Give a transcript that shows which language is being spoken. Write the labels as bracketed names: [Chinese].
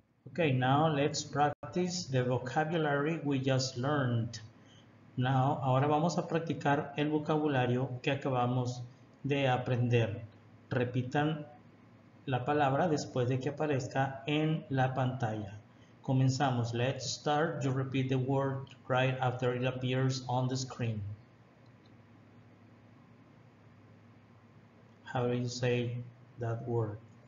[English] Okay, now let's practice the vocabulary we just learned. [Spanish] Now, ahora vamos a practicar el vocabulario que acabamos de aprender. Repitan la palabra después de que aparezca en la pantalla. Comenzamos. [English] Let's start. You repeat the word right after it appears on the screen. How do you say that word?